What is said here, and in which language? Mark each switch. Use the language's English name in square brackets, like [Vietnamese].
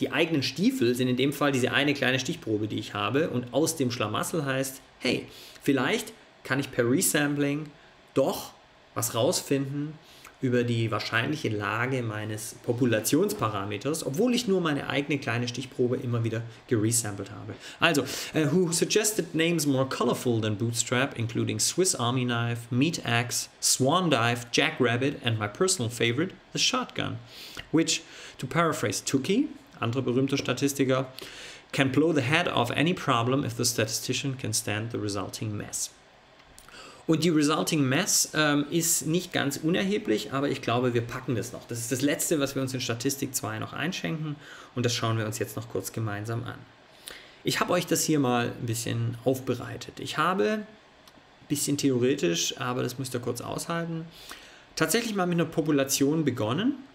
[German] Die eigenen Stiefel sind in dem Fall diese eine kleine Stichprobe, die ich habe. Und aus dem Schlamassel heißt, hey, vielleicht kann ich per Resampling doch was rausfinden über die wahrscheinliche Lage meines Populationsparameters, obwohl ich nur meine eigene kleine Stichprobe immer wieder geresampled habe. [English] Also, who suggested names more colorful than Bootstrap, including Swiss Army Knife, Meat Axe, Swan Dive, Jackrabbit and my personal favorite, the Shotgun, which, to paraphrase Tookie, [German] Andere berühmte Statistiker. [English] Can blow the head off any problem if the statistician can stand the resulting mess. [German] Und die resulting mess ist nicht ganz unerheblich, aber ich glaube, wir packen das noch. Das ist das Letzte, was wir uns in Statistik 2 noch einschenken und das schauen wir uns jetzt noch kurz gemeinsam an. Ich habe euch das hier mal ein bisschen aufbereitet. Ich habe, bisschen theoretisch, aber das müsst ihr kurz aushalten, tatsächlich mal mit einer Population begonnen.